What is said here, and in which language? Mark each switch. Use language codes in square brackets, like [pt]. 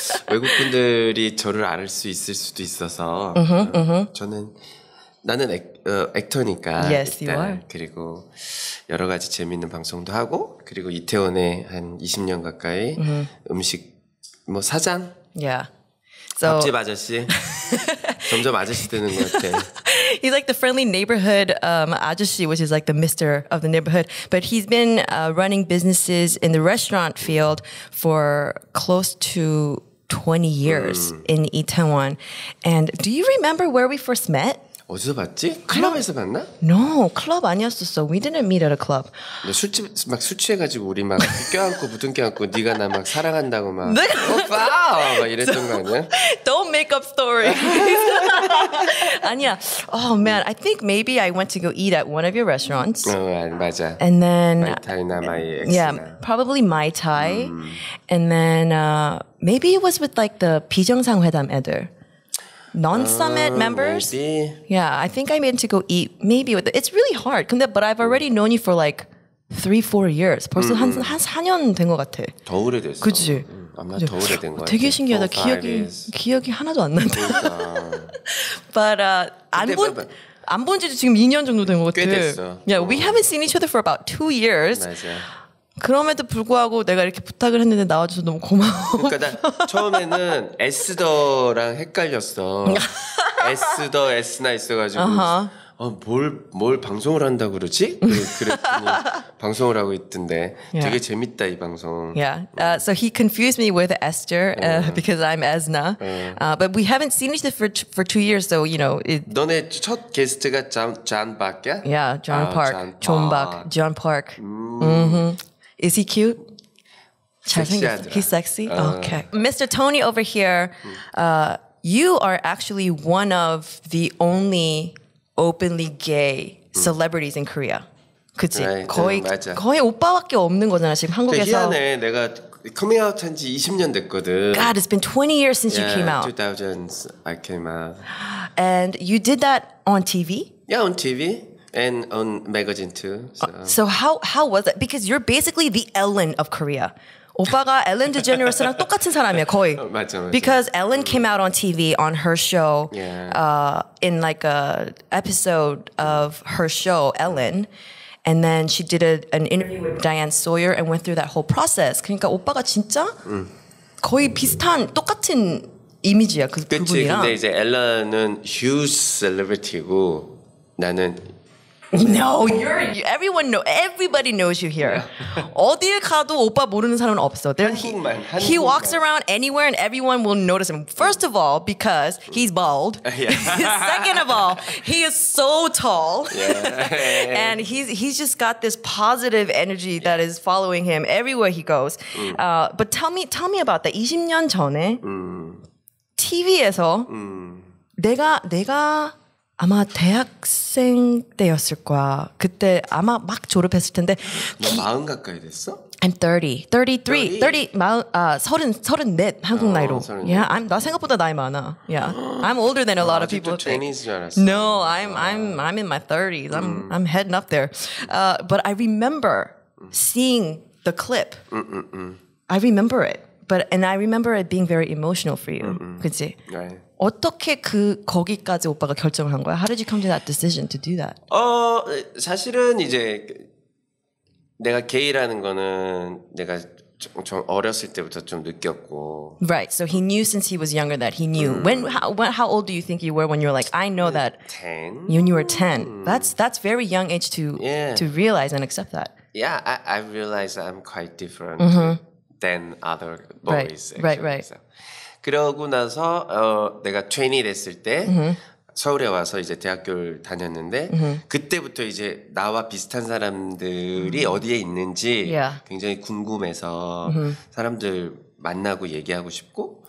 [ko] 외국분들이 저를 알 수 있을 수도 있어서 저는 나는 액터니까 [en] yes, [ko] 일단 [en] you are. [ko] 그리고 여러 가지 재미있는 방송도 하고 그리고 이태원에 한 20년 가까이 음식 뭐 사장 밥집 아저씨 점점 아저씨 되는 것 같아. [en] He's like the friendly neighborhood ajushi, which is like the mister of the neighborhood. But he's been running businesses in the restaurant field for close to 20 years in Itaewon. And do you remember where we first met? [ko] 어디서 봤지? 클럽에서 봤나? [en] No, [ko] 클럽 아니었었어. [en] We didn't meet at a club. [ko] 술집 막 술 취해가지고 우리 막 껴안고 부둥켜안고 네가 나 막 사랑한다고 막 내가 오빠 막 이랬던 거 아니야? [en] Don't make up story. [ko] 아니야. [en] Oh man, I think maybe I went to go eat at one of your restaurants. [ko] 맞아. [en] And then Mai Thai na Mai X. Yeah, probably Mai Thai. And then maybe it was with like the [ko] 비정상 회담 애들. [en] Non-summit members? Maybe. Yeah, I think I meant to go eat maybe with the, it's really hard. But I've already known you for like 3-4 years. [ko] 벌써 한 4년 된 것 같아. 더 오래됐어. 그치? 아마 더 오래된 것 같아. 되게 신기하다. 기억이 하나도 안 난다. 그러니까. [en] But [ko] 안 본 지도 지금 2년 정도 된 것 같아. 꽤 됐어. [en] Yeah, we haven't seen each other for about 2 years. [ko] 맞아. 그럼에도 불구하고 내가 이렇게 부탁을 했는데 나와줘서 너무 고마워. 그러니까 나 처음에는 에스더랑 헷갈렸어. 에스더 에스나 있어가지고 뭘 방송을 한다 그러지? 그랬더니 방송을 하고 있던데 [en] yeah. [ko] 되게 재밌다 이 방송. [en] Yeah. So he confused me with Esther because I'm Esna. But we haven't seen each other for 2 years, so you know. It... [ko] 너네 첫 게스트가 존 박이야? [en] Yeah, John Park. John Park. John Park. Is he cute? He's sexy? Okay. Mr. Tony over here, you are actually one of the only openly gay celebrities in Korea. [ko] 그치? 네, 거의, 네, 맞아. 거의 오빠밖에 없는 거잖아, 지금 한국에서. 희한해. 내가 coming out 한 지 20년 됐거든. [en] God, it's been 20 years since yeah, you came out. 2000s, I came out. And you did that on TV? Yeah, on TV. And on magazine too. So how was it? Because you're basically the Ellen of Korea. [ko] 오빠가 Ellen DeGeneres랑 똑같은 사람이야 거의. 맞아, 맞아. [en] Because Ellen came out on TV on her show, yeah. In like a episode of her show Ellen, and then she did an interview with Diane Sawyer and went through that whole process. [ko] 그러니까 오빠가 진짜 거의 비슷한 똑같은 이미지야 그분이랑. 그치. 근데 이제 Ellen은 [en] huge celebrity [ko] 고 나는 [en] No, everyone knows. Everybody knows you here. [ko] 어디에 가도 오빠 모르는 사람은 없어. 한국만. [en] He walks around anywhere and everyone will notice him. First of all, because he's bald. Second of all, he is so tall. And he's just got this positive energy that is following him everywhere he goes. But tell me about that. [ko] 20년 전에 TV에서 내가 아마 대학생 때였을 거야. 그때 아마 막 졸업했을 텐데. 너 마흔 가까이 됐어? [en] I'm 33, 34 [ko] 한국 나이로. [en] Yeah, I'm [ko] 나 생각보다 나이 많아. [en] Yeah, I'm older than a lot of people. [ko] 아직도 20s 줄 알았어. [en] No, I'm in my 30s. I'm heading up there. But I remember seeing the clip. I remember it. But and I remember it being very emotional for you. [ko] 그치? [en] Right. [ko] 어떻게 그 거기까지 오빠가 결정을 한 거야? [en] How did you come to that decision to do that? [ko] 사실은 이제 내가 게이라는 거는 내가 좀 어렸을 때부터 좀 느꼈고. [en] Right. So he knew since he was younger that he knew. How old do you think you were when you were like I know that? 10. When you were 10. That's very young age to realize and accept that. Yeah, I realize I'm quite different than other boys. Right. So. [ko] 그러고 나서 내가 20 됐을 때 서울에 와서 이제 대학교를 다녔는데 그때부터 이제 나와 비슷한 사람들이 어디에 있는지 굉장히 궁금해서 사람들 만나고 얘기하고 싶고.